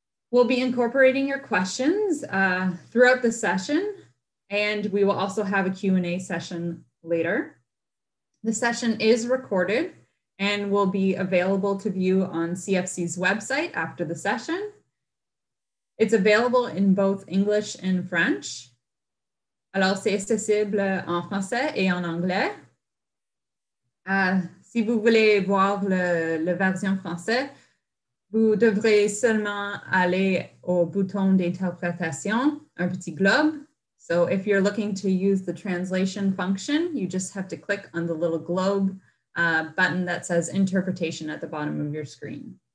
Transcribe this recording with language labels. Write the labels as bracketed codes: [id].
[en] We'll be incorporating your questions throughout the session, and we will also have a Q&A session later. The session is recorded and will be available to view on CFC's website after the session. It's available in both English and French. [fr] Alors, c'est accessible en français et en anglais. Si vous voulez voir le version français, vous devrez seulement aller au bouton d'interprétation, un petit globe. [en] So if you're looking to use the translation function, you just have to click on the little globe button that says interpretation at the bottom of your screen.